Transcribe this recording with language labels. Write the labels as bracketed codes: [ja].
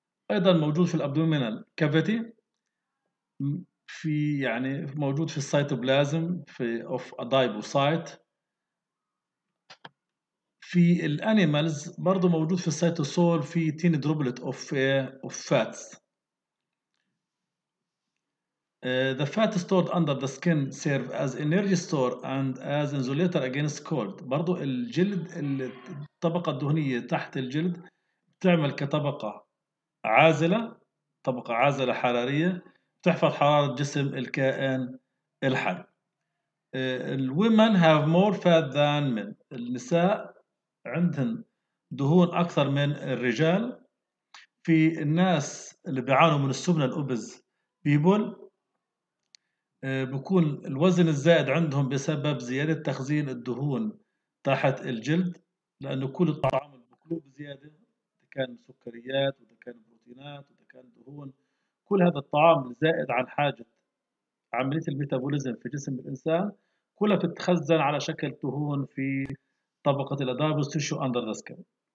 [ar] أيضا موجود في [en] الأبدومينال كافيتي، [ar] في يعني موجود في السيتوبلازم في [en] Of adipocyte. [ar] في الأنيمالز برضو موجود في السيتوسول في [en] Tiny droplet of fats. The fat stored under the skin serve as energy store and as insulator against cold. [ar] برضو الجلد الطبقة الدهنية تحت الجلد تعمل كطبقة عازلة، طبقة عازلة حرارية تحفظ حرارة جسم الكائن الحي. [en] Women have more fat than men. [ar] النساء عندهن دهون أكثر من الرجال. في الناس اللي بيعانوا من السمنة [en] الأوبز بيبول [ar] بكون الوزن الزائد عندهم بسبب زيادة تخزين الدهون تحت الجلد، لأنه كل الطعام المطلوب بزيادة إذا كان سكريات وإذا كان بروتينات وإذا كان دهون، كل هذا الطعام الزائد عن حاجة عملية الميتابوليزم في جسم الإنسان كلها بتتخزن على شكل دهون في طبقة الأدايبوس تيشو [en] Under the skin.